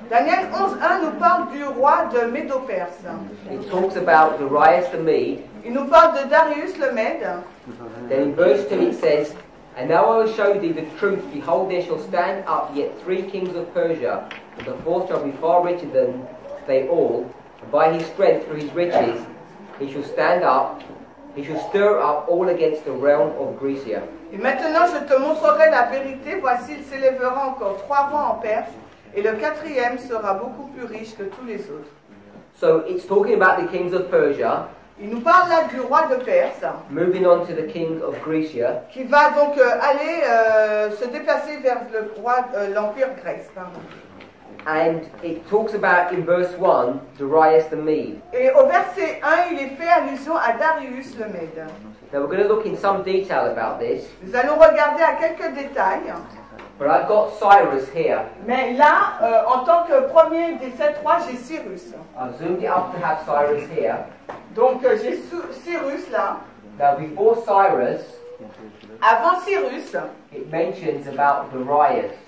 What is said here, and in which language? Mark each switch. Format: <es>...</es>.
<fr>Daniel 11:1 nous parle du roi de Médo-Perse.</fr> <en>It talks about Darius the Mede.</en> <fr>Il nous parle de Darius le Mède.</fr> <en>Then in verse 2 it says, "And now I will show thee the truth. Behold, there shall stand up yet three kings of Persia, and the fourth shall be far richer than they all. And by his strength, through his riches, he shall stand up. He shall stir up all against the realm of Grecia."</en> <fr>Et maintenant je te montrerai la vérité, voici il s'élèvera encore trois rois en Perse, et le quatrième sera beaucoup plus riche que tous les autres.</fr> <en>So it's talking about the kings of Persia.</en> <fr>Il nous parle là du roi de Perse.</fr> <en>Moving on to the king of Grecia.</en> <fr>Qui va donc aller se déplacer vers le roi, l'empire grec.</fr> <en>And it talks about in verse 1, Darius the Mede.</en> <fr>Et au verset 1, il est fait allusion à Darius le Mède.</fr> <en>Now we're going to look in some detail about this.</en> <fr>Nous allons regarder à quelques détails.</fr> <en>But I've got Cyrus here.</en> <fr>Mais là, en tant que premier des sept rois, j'ai Cyrus.</fr> <en>I've zoomed it up to have Cyrus here.</en> <fr>Donc j'ai Cyrus là.</fr> <en>Now before Cyrus,</en> <fr>avant Cyrus,</fr> <en>it mentions about Darius.</en>